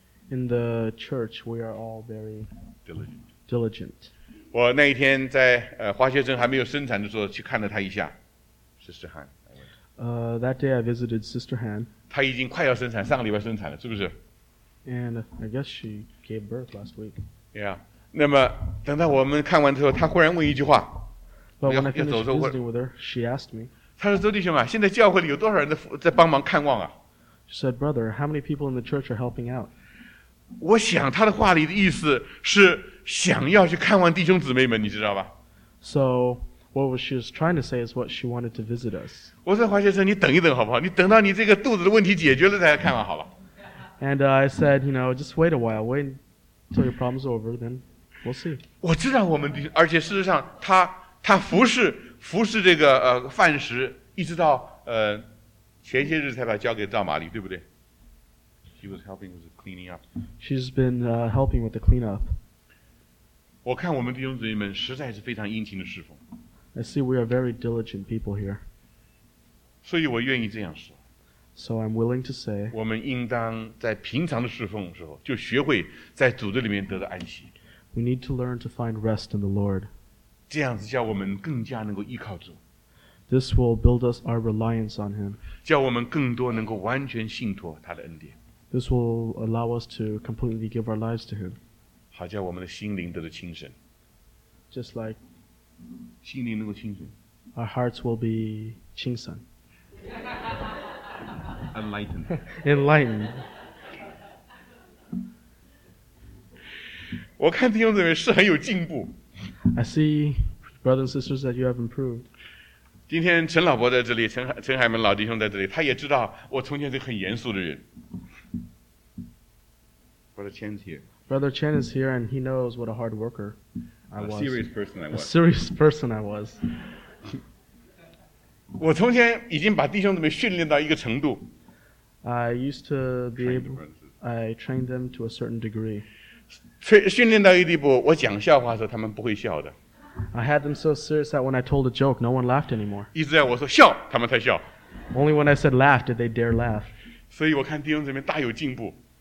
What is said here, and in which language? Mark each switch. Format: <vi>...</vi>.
<en>In the church, we are all very diligent.</en> <zh>我那一天在华学生还没有生产的时候去看了他一下 ，Sister Han.</zh> <en>That day I visited Sister Han.</en> <zh>她已经快要生产，上个礼拜生产了，是不是</zh> <en>？And I guess she gave birth last week. Yeah.</en> <zh>那么等到我们看完之后，她忽然问一句话。</zh> <en>But when I finished visiting with her, she asked me.</en> <zh>她说：“周弟兄啊，现在教会里有多少人在帮忙看望啊？”</zh> <en>She said, "Brother, how many people in the church are helping out?"</en> <zh>我想她的话里的意思是想要去看望弟兄姊妹们，你知道吧</zh> <en>？So what she was trying to say is what she wanted to visit us.</en> <zh>我说：“华先生，你等一等好不好？你等到你这个肚子的问题解决了再来看望好了。”</zh> <en>And I said, "You know, just wait a while. Wait until your problem's over, then we'll see."</en> <zh>我知道我们的，而且事实上他。他服侍这个饭食，一直到前些日才把交给赵玛丽，对不对</zh> <en>？She was helping with the cleaning up. She's been helping with the cleanup.</en> <zh>我看我们弟兄姊妹们实在是非常殷勤的侍奉。</zh> <en>I see we are very diligent people here.</en> <zh>所以我愿意这样说。</zh> <en>So I'm willing to say.</en> <zh>我们应当在平常的侍奉的时候，就学会在主的里面得到安息。</zh> <en>We need to learn to find rest in the Lord.</en> <zh>这样子叫我们更加能够依靠主。</zh> <en>This will build us our reliance on Him.</en> <zh>叫我们更多能够完全信托他的恩典。</zh> <en>This will allow us to completely give our lives to Him.</en> <zh>好叫我们的心灵得到清醒。</zh> <en>Just like</en> <zh>心灵能够清醒。</zh> <en>Our hearts will be 清醒。 Enlightened. Enlightened.</en> <zh>我看弟兄姊妹是很有进步。</zh> <en>I see, brothers and sisters, that you have improved.</en> <zh>今天陈老伯在这里，陈海门老弟兄在这里，他也知道我从前是很严肃的人。</zh> <en>Brother Chen's here. Brother Chen is here, and he knows what a hard worker I was. A serious person I was. A serious person I was.</en> <zh>我从前已经把弟兄姊妹训练到一个程度。</zh> <en>I used to be able. I trained them to a certain degree.</en> <zh>训练到一地步，我讲笑话的时候，他们不会笑的。</zh> <en>I had them so serious that when I told a joke, no one laughed anymore.</en> <zh>一直在我说笑，他们才笑。</zh> <en>Only when I said laugh did they dare laugh.</en> <zh>所以我看弟兄姊妹大有进步。</zh>